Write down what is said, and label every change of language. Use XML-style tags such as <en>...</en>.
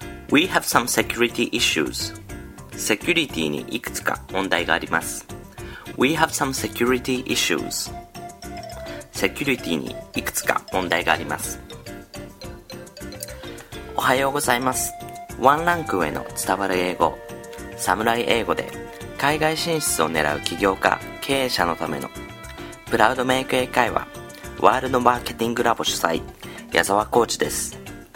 <en>We have some security issues.</en> <ja>セキュリティにいくつか問題があります。</ja> <en>We have some security issues.</en> <ja>セキュリティにいくつか問題があります。おはようございます。ワンランク上の伝わる英語、サムライ英語で海外進出を狙う起業家、経営者のためのプラウドメイク英会話、ワールドマーケティングラボ主催、矢沢コーチです。</ja>